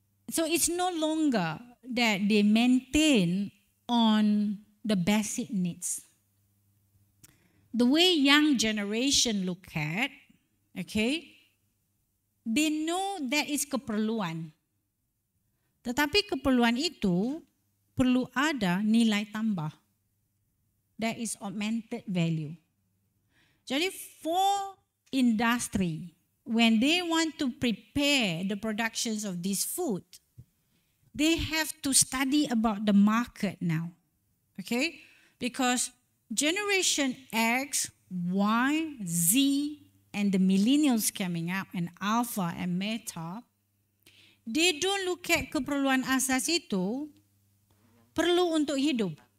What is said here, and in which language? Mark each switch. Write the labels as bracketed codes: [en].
[en] So it's no longer that they maintain on the basic needs. The way young generation look at, okay, they know that is keperluan. [ms] Tetapi keperluan itu perlu ada nilai tambah. [en] That is augmented value. [ms] Jadi [en] for industry, when they want to prepare the productions of this food, they have to study about the market now, okay? Because Generation X, Y, Z, and the millennials coming up, and Alpha and Meta, they don't look at [ms] keperluan asas itu perlu untuk hidup.